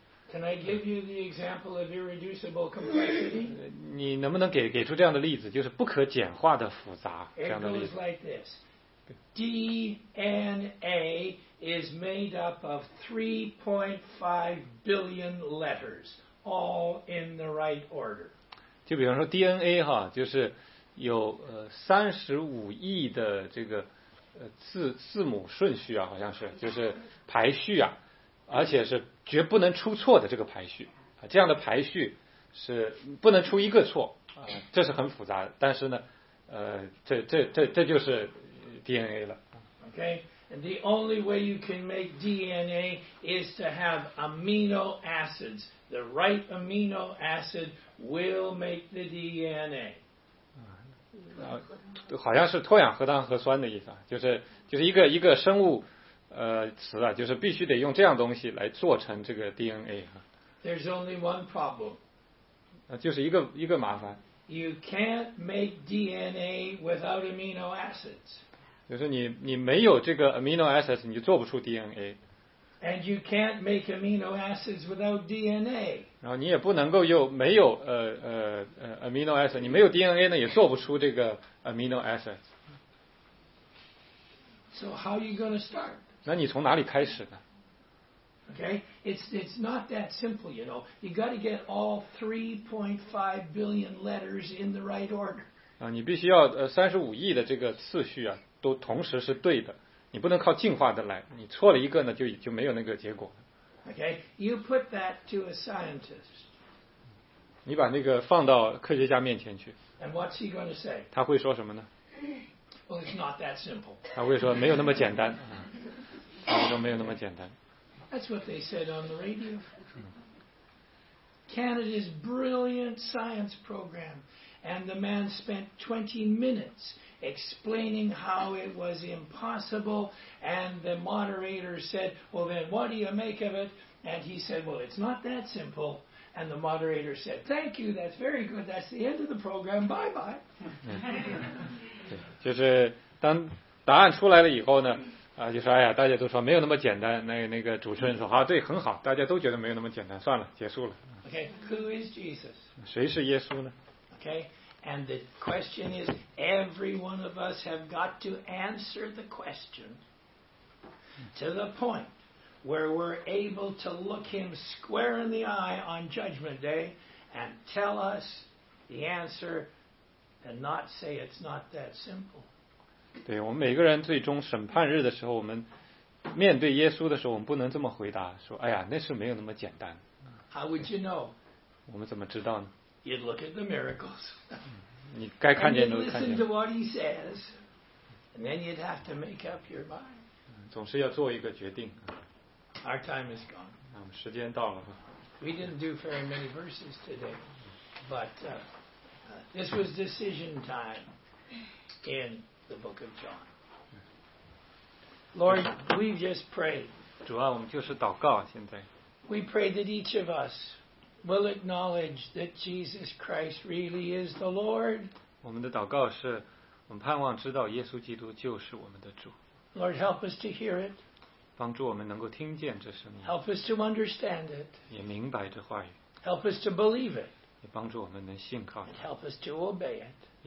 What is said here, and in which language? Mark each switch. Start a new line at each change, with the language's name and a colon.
English: Can I give you the example of irreducible complexity?
Chinese: 你能不能给出这样的例子，就是不可简化的复杂这样的例子。
English: It goes like this. DNAis made up of 3.5 billion letters, all in the right order.
Chinese: 就比方说 DNA 哈，就是有35亿的这个字母顺序啊，好像是，就是排序啊，而且是绝不能出错的这个排序啊，这样的排序是不能出一个错啊，这是很复杂的。但是呢，这就是 DNA 了。
English: Okay. And the only way you can make DNA is to have amino acids. The right amino acid will make the DNA.
Chinese: 好像是脱氧核糖核酸的意思啊，就是一个生物词啊，就是必须得用这样东西来做成这个 DNA 啊。
English: There's only one problem.
Chinese: 就是一个麻烦。
English: You can't make DNA without amino acids.
Chinese: 就是你没有这个 amino acids 你就做不出 DNA.
English: And you can't make amino acids without DNA.
Chinese: 然后你也不能够又没有amino acids, 你没有 DNA 呢也做不出这个 amino acids.
English: So how are you going to start?
Chinese: 那你从哪里开始呢？
English: Okay, it's not that simple, you know. You got to get all 3.5 billion letters in the right order.
Chinese: 啊，你必须要35亿的这个次序啊。都同时是对的，你不能靠进化的来，你错了一个呢，就没有那个结果。
English: Okay, you put that to a scientist.
Chinese: 你把那个放到科学家面前去。
English: And what's he going to say?
Chinese: 他会说什么呢
English: ？Well, it's not that simple.
Chinese: 他会说没有那么简单。他会说没有那么简单。
English: That's what they said on the radio. Canada's brilliant science program, and the man spent 20 minutes. Explaining how it was impossible, and the moderator said, "Well, then, what do you make of it?" And he said, "Well, it's not that simple." And the moderator said, "Thank you. That's very good. That's the end of the program. Bye bye."
Chinese: 就是当答案出来了以后呢，啊，就说哎呀，大家都说没有那么简单。那个主持人说，好，对，很好，大家都觉得没有那么简单。算了，结束了。
English: Okay, who is Jesus?
Chinese: 谁是耶稣呢?
English: Okay, and the question is, every one of us have got to answer the question to the point where we're able to look him square in the eye on Judgment Day and tell us the answer and not say it's not that simple.
Chinese: 对，我们每个人最终审判日的时候，我们面对耶稣的时候，我们不能这么回答，说，哎呀，那是没有那么简单。
English: How would you know?
Chinese: 我们怎么知道呢?
English: You'd look at the miracles.
Chinese: 你该看见都看见。
English: And you'd listen to what he says, and then you'd have to make up your mind.
Chinese: 总是要做一个决定。
English: Our time is gone.
Chinese: 我们时间到了。
English: We didn't do very many verses today, but this was decision time in the book of John. Lord, we just pray.
Chinese: 主啊，我们就是祷告现在。
English: We pray that each of us will acknowledge that Jesus Christ really is the Lord.
Chinese: 我们的祷告是，我们盼望知道耶稣基督就是我们的主。
English: Lord, help us to hear it.
Chinese: 帮助我们能够听见这声音。
English: Help us to understand it.
Chinese: 也明白这话语。
English: Help us to believe it.
Chinese: 也帮助我们能信靠。
English: And help us to obey it.